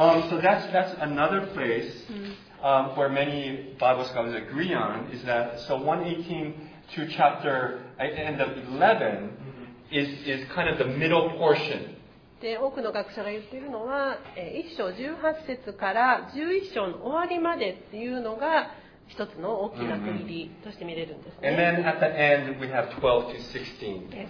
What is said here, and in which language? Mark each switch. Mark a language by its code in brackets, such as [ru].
[en] So that's another place where many Bible scholars agree on is that so 1:18 to chapter end of 11 is kind of the middle portion. [ja] で多くの学者が言っているのは一章十八節から十一章の終わりまでっていうのが一つの大きな区切りとして見れるんですね。 [en] And then at the end we have 12 to 16.